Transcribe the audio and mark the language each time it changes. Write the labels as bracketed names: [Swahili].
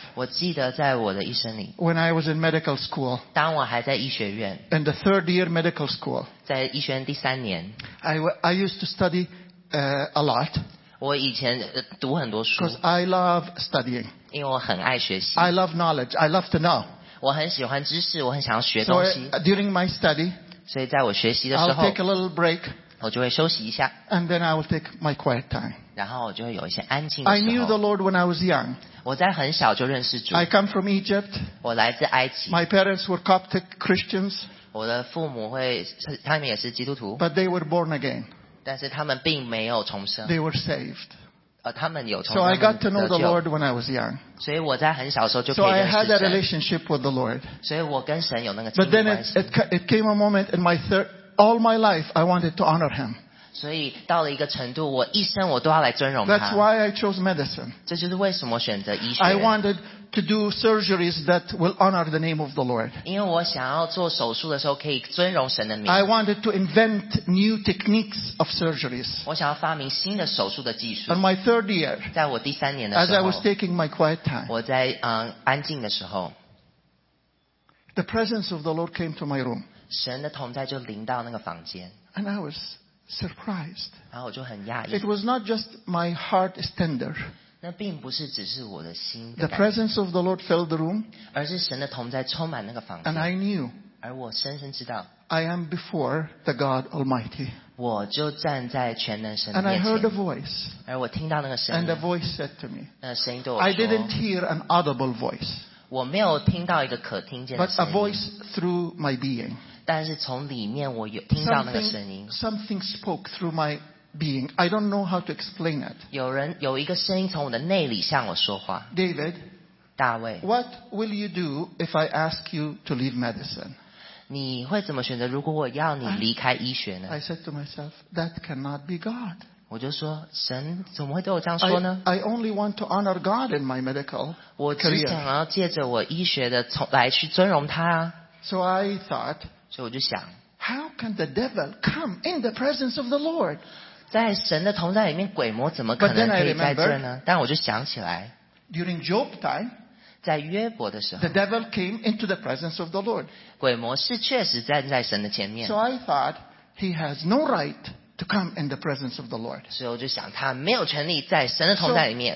[Chinese] 我记得在我的一生里。 [English] When I was in medical school. [Chinese] 当我还在医学院。 [English] In the third year medical school. [Chinese] 在医学院第三年。 [English] I used to study a lot. [Chinese] 我以前读很多书。 [English] Because I love studying. [Chinese] 因为我很爱学习。 [English] I love knowledge. I love to know. [Chinese] 我很喜欢知识，我很想要学东西。 [English] So during my study. [Chinese] 所以在我学习的时候。 [English] I'll take a little break. [Chinese] 我就会休息一下。 [English] And then I will take my quiet time. [Chinese] 然后我就会有一些安静的时候。 [English] I knew the Lord when I was young. [Chinese] 我在很小就认识主。 [English] I come from Egypt. [Chinese] 我来自埃及。 [English] My parents were Coptic Christians. [Chinese] 我的父母会，他们也是基督徒。 [English] But they were born again. [Chinese] 但是他们并没有重生。 [English] They were saved. [Chinese] 他们有重生。 [English] So I got to know the Lord when I was young. [Chinese] 所以我在很小的时候就可以认识神。 [English] So I had a relationship with the Lord. [Chinese] 所以我跟神有那个亲密关系。 [English] But then it came a moment in my third, all my life I wanted to honor him. [Chinese] 所以到了一个程度，我一生我都要来尊荣他。 [English] That's why I chose medicine. [Chinese] 这就是为什么选择医学。 [English] I wanted to do surgeries that will honor the name of the Lord. [Chinese] 因为我想要做手术的时候可以尊荣神的名。 [English] I wanted to invent new techniques of surgeries. [Chinese] 我想要发明新的手术的技术。 [English] On my third year, [Chinese] 在我第三年的时候 [English] ，As I was taking my quiet time, [Chinese] 我在安静的时候 [English] ，The presence of the Lord came to my room. [Chinese] 神的同在就临到那个房间。 [English] And I was. Surprised. [Chinese] 然后我就很讶异。 [English] It was not just my heart is tender. [Chinese] 那并不是只是我的心。 [English] The presence of the Lord filled the room. [Chinese] 而是神的同在充满那个房间。 [English] And I knew. [Chinese] 而我深深知道。 [English] I am before the God Almighty. [Chinese] 我就站在全能神的面前。 [English] And I heard a voice. [Chinese] 而我听到那个声音。 [English] And a voice said to me. [Chinese] 那声音对我说。 [English] I didn't hear an audible voice. [Chinese] 我没有听到一个可听见的声音。 [English] But a voice through my being. [Chinese] 但是从里面我有听到那个声音。 [English] Something spoke through my being. I don't know how to explain it. [Chinese] 有一个声音从我的内里向我说话。 [English] David, [Chinese] 大卫 [English] ，What will you do if I ask you to leave medicine? [Chinese] 你会怎么选择？如果我要你离开医学呢 [English] ？I said to myself, that cannot be God. [Chinese] 我就说，神怎么会对我这样说呢 [English] ？I only want to honor God in my medical career. [Chinese] 我只想要借着我医学的来去尊荣他啊。 [English] So I thought. [Chinese] 所以我就想 [English] ，How can the devil come in the presence of the Lord？ [Chinese] 在神的同在里面，鬼魔怎么可能可以在这呢？但我就想起来 [English] ，During Job time， [Chinese] 在约伯的时候 [English] ，The devil came into the presence of the Lord。 [Chinese] 鬼魔是确实站在神的前面。 [English] So I thought he has no right to come in the presence of the Lord。 [Chinese] 所以我就想，他没有权利在神的同在里面。